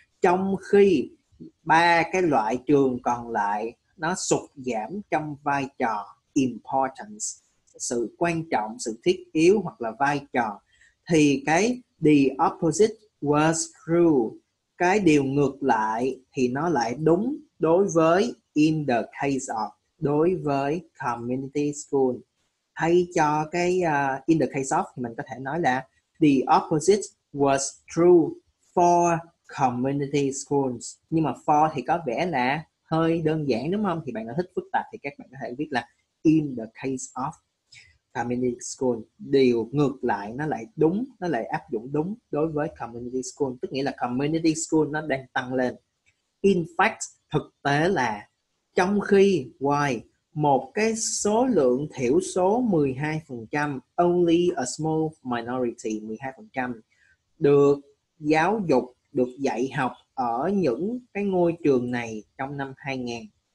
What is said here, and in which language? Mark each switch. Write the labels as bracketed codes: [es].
[vi] Trong khi ba cái loại trường còn lại nó sụt giảm trong vai trò, importance, sự quan trọng, sự thiết yếu hoặc là vai trò, thì cái [en] the opposite was true, [vi] cái điều ngược lại thì nó lại đúng đối với [en] in the case of, [vi] đối với community school. Hay cho cái [en] in the case of [vi] thì mình có thể nói là [en] the opposite was true for community schools. [vi] Nhưng mà for thì có vẻ là hơi đơn giản đúng không? Thì bạn nào thích phức tạp thì các bạn có thể viết là [en] in the case of community school. [vi] Điều ngược lại nó lại đúng, nó lại áp dụng đúng đối với community school. Tức nghĩa là community school nó đang tăng lên. [en] In fact, [vi] thực tế là trong khi why một cái số lượng thiểu số 12%, [en] only a small minority 12%, [vi] được giáo dục, được dạy học ở những cái ngôi trường này trong năm 2000.